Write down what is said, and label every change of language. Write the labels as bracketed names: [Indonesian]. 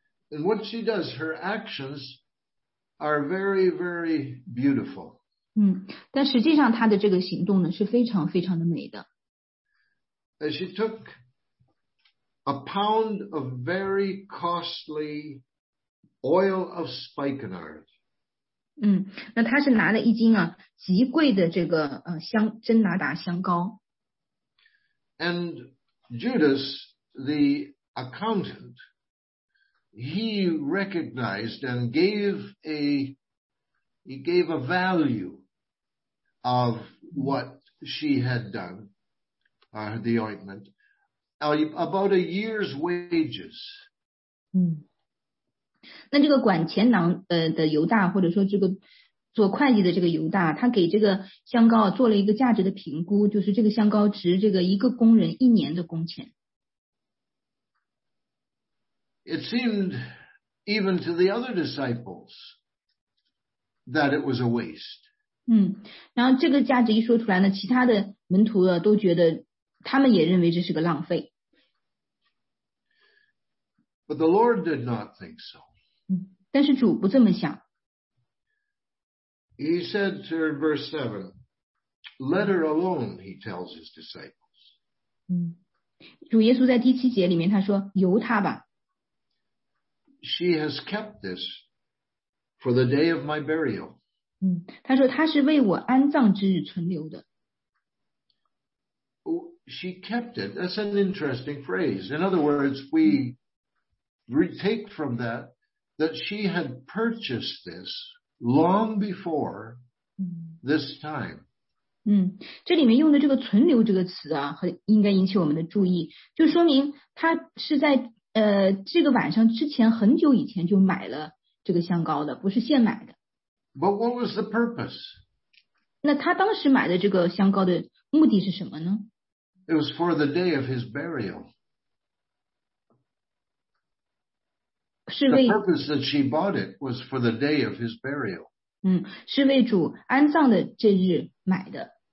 [English] And what she does, her actions are very, very beautiful. [Chinese] 但实际上她的这个行动呢是非常非常的美的。 [English] As she took a pound of very costly oil of spikenard. [Chinese] 那她是拿了一斤啊极贵的这个真拿达香膏。 [English] And Judas, the accountant, he recognized and gave a value of what she had done. The ointment, about a year's wages. [Chinese] 那这个管钱囊的犹大，或者说这个做会计的这个犹大，他给这个香膏做了一个价值的评估，就是这个香膏值这个一个工人一年的工钱。 [English] It seemed even to the other disciples that it was a waste. [Chinese] 然后这个价值一说出来呢，其他的门徒啊都觉得。他们也认为这是个浪费。 [English] But the Lord did not think so. [Chinese] 但是主不这么想。 [English] He said to her in verse 7, let her alone, he tells his disciples. [Chinese] 主耶稣在第七节里面他说由他吧。 [English] She has kept this for the day of my burial. [Chinese] 他说他是为我安葬之日存留的。 [English] She kept it. That's an interesting phrase. In other words, we retake from that that she had purchased this long before this time. [Chinese] 这里面用的这个存留这个词啊，应该引起我们的注意，就说明她是在这个晚上之前很久以前就买了这个香膏的，不是现买的。 [English] But what was the purpose? [Chinese] 那她当时买的这个香膏的目的是什么呢？ [English] It was for the day of his burial. The purpose that she bought it was for the day of his burial. [Chinese] 是为主安葬的这日买的。